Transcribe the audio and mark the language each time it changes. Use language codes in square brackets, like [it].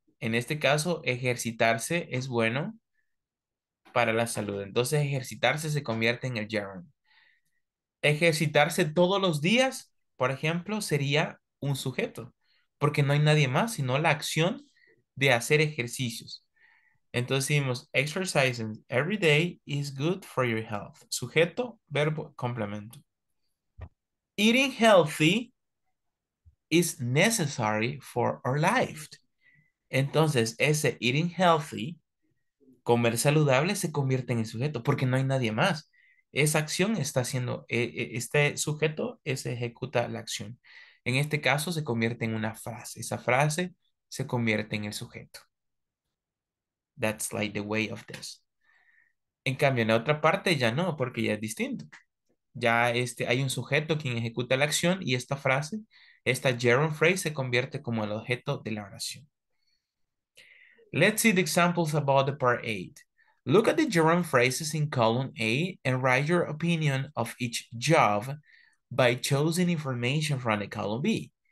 [es] En este caso, ejercitarse es bueno para la salud. Entonces, ejercitarse se convierte en el gerund. Ejercitarse todos los días, por ejemplo, sería un sujeto. Porque no hay nadie más, sino la acción de hacer ejercicios. Entonces decimos, [en] exercising every day is good for your health. [es] Sujeto, verbo, complemento. [en] Eating healthy is necessary for our life. [es] Entonces, ese [en] eating healthy, [es] comer saludable, se convierte en el sujeto, porque no hay nadie más. Esa acción está haciendo, este sujeto se ejecuta la acción. En este caso, se convierte en una frase. Esa frase se convierte en el sujeto. [en] That's like the way of this. [es] En cambio, en la otra parte ya no, porque ya es distinto. Ya hay un sujeto quien ejecuta la acción y esta frase, esta gerund phrase, se convierte como el objeto de la oración. [en] Let's see the examples about the part 8. Look at the gerund phrases in column A and write your opinion of each job by choosing information from the column B.